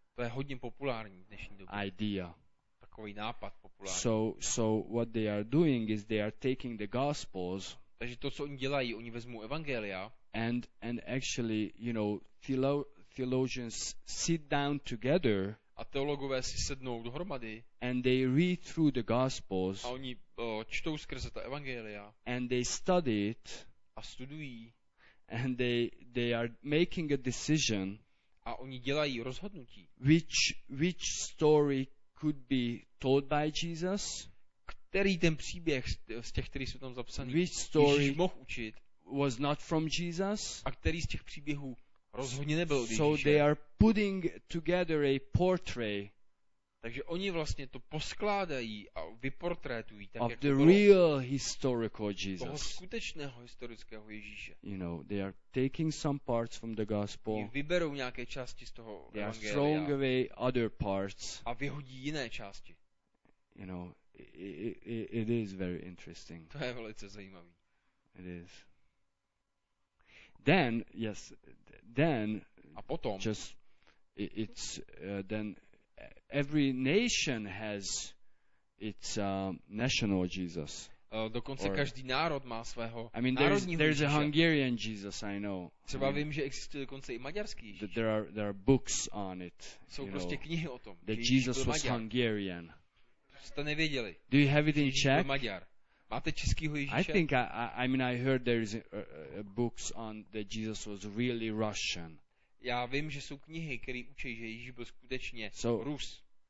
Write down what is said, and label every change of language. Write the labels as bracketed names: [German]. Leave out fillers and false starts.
[Czech] To je hodně populární v dnešní době. [English] Idea. [Czech] Takový nápad populární. [English] So what they are doing is they are taking the gospels. [Czech] Takže to, co oni dělají, oni vezmou evangelia. [English] And actually, you know, theologians sit down together. [Czech] A teologové si sednou dohromady. [English] And they read through the gospels. [Czech] A oni čtou skrze ta evangelia. [English] And they study it. [Czech] A studují. [English] And they are making a decision. [Czech] a oni dělají rozhodnutí. [English] Which story could be told by Jesus? [Czech] Který ten příběh z těch, který jsou tam zapsaný, [English] which story [Czech] Ježíš mohl učit, [English] was not from Jesus? [Czech] A který z těch příběhů rozhodně nebyl od [English] Ježíše? So they are putting together a portrait. [Czech] Takže oni vlastně to poskládají a vyportrétují tak, [English] of the real historical Jesus. [Czech] Toho skutečného historického Ježíše. [English] You know, they are taking some parts from the gospel. [Czech] Oni vyberou nějaké části z toho [English] evangelia. They are throwing away other parts. [Czech] A vyhodí jiné části. [English] You know, it is very interesting. [Czech] To je velice zajímavý. [English] It is. Then, yes, then [Czech] a potom [English] just it's then every nation has its national Jesus. [Czech] Dokonce každý národ má svého národního. [English] I mean, there's a Hungarian Jesus, I know. [Czech] Třeba vím, že existuje dokonce i maďarský Ježíš. [English] There are books on it. [Czech] Jsou prostě knihy o tom. [English] That Jesus was Hungarian. [Czech] Jste nevěděli. [English] Do you have it in Czech? [Czech] Maďar. Máte českýho Ježíše? [English] I think I mean I heard there is books on that Jesus was really Russian. [Czech] Já vím, že jsou knihy, které učí, že Ježíš byl skutečně Rus.